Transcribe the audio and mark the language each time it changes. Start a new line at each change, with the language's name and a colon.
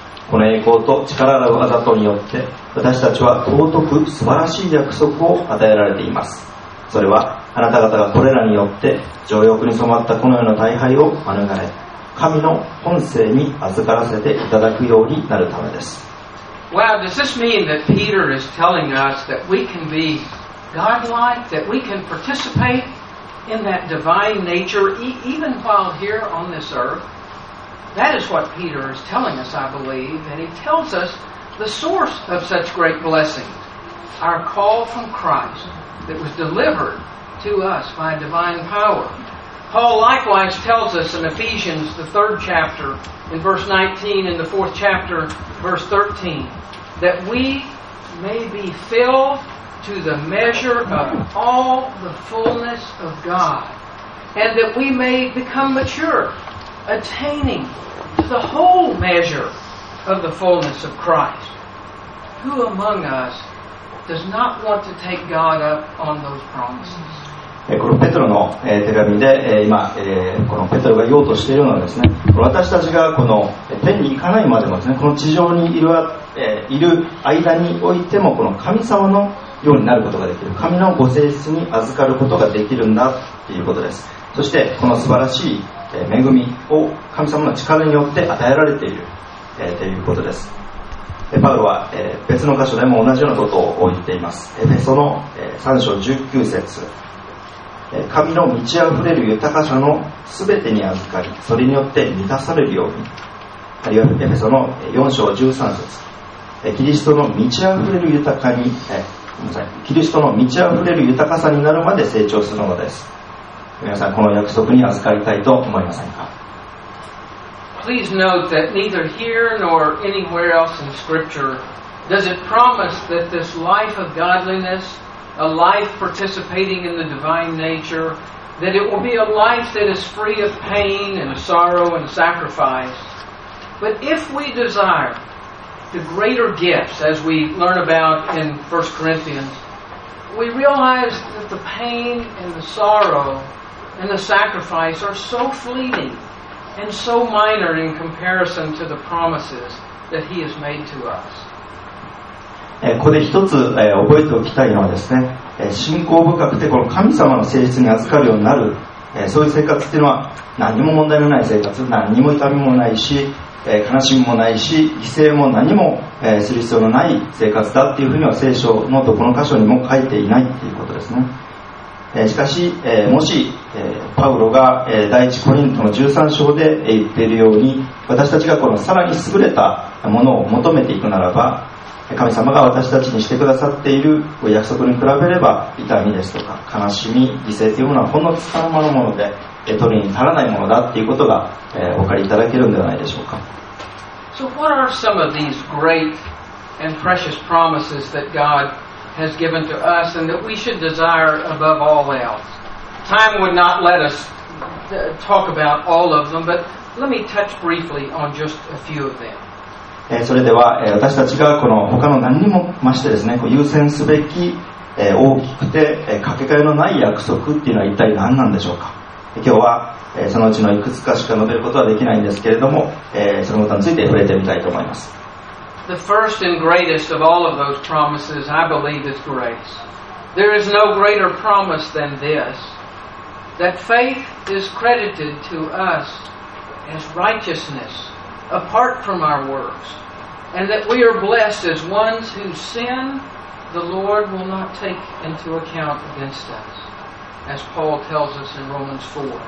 Japanese: この栄光と力ある技とによって私たちは尊く素晴らしい約束を与えられています。それはあなた方がこれらによって情欲に染まったこの世の大敗を免れ神の本性に預からせていただくようになるためです。
English: Wow, does this mean that Peter is telling us that we can be God-like, that we can participate in that divine nature even while here on this earth? That is what Peter is telling us, I believe, and he tells us the source of such great blessing, our call from Christ that was delivered to us by divine power. Paul likewise tells us in Ephesians, the third chapter, in verse 19, in the fourth chapter, verse 13, that we may be filled to the measure of all the fullness of God, and that we may become mature, attaining to the whole measure of the fullness of Christ. Who among us does not want to take God up on those promises?
Japanese: このペテロの手紙で今このペテロが言おうとしているのはですね、私たちがこの天に行かないまでもですね、この地上にいる間においてもこの神様のようになることができる、神のご性質に預かることができるんだということです。そしてこの素晴らしい恵みを神様の力によって与えられているということです。パウロは別の箇所でも同じようなことを言っています。エフェソの3章19節、神の満ち溢れる豊かさのすべてに預かり、それによって満たされるように、あるいはエフェソの4章13節、キリストの満ち溢れる豊かに、キリストの満ち溢れる豊かさになるまで成長するのです。皆さん、この約束に預かりたいと思いませんか？
English: Please note that neither here nor anywhere else in scripture does it promise that this life of godlinessA life participating in the divine nature, that it will be a life that is free of pain and sorrow and sacrifice. But if we desire the greater gifts, as we learn about in 1 Corinthians, we realize that the pain and the sorrow and the sacrifice are so fleeting and so minor in comparison to the promises that He has made to us.
Japanese: ここで一つ覚えておきたいのはですね、信仰深くてこの神様の性質に預かるようになる、そういう生活っていうのは何も問題のない生活、何にも痛みもないし悲しみもないし犠牲も何もする必要のない生活だっていうふうには聖書のどこの箇所にも書いていないっていうことですね。しかしもしパウロが第一コリントの13章で言っているように、私たちがこのさらに優れたものを求めていくならば、神様が私たちにしてくださっている約束に比べれば、痛みですとか悲しみ、犠牲というものはほんのつかの間のもので取りに足らないものだということがお分かりいただけるのではないでしょうか。
English: So what are some of these great and precious promises that God has given to us and that we should desire above all else? Time would not let us talk about all of them, but let me touch briefly on just a few of them
Japanese: それでは私たちがこの他の何にも増してですね、優先すべき大きくてかけがえのない約束っていうのは一体何なんでしょうか。今日はそのうちのいくつかしか述べることはできないんですけれども、そのことについて触れてみたいと思います。
English: The first and greatest of all of those promises I believe is grace. There is no greater promise than this, that faith is credited to us as righteousnessapart from our works, and that we are blessed as ones whose sin the Lord will not take into account against us, as Paul tells us in Romans 4.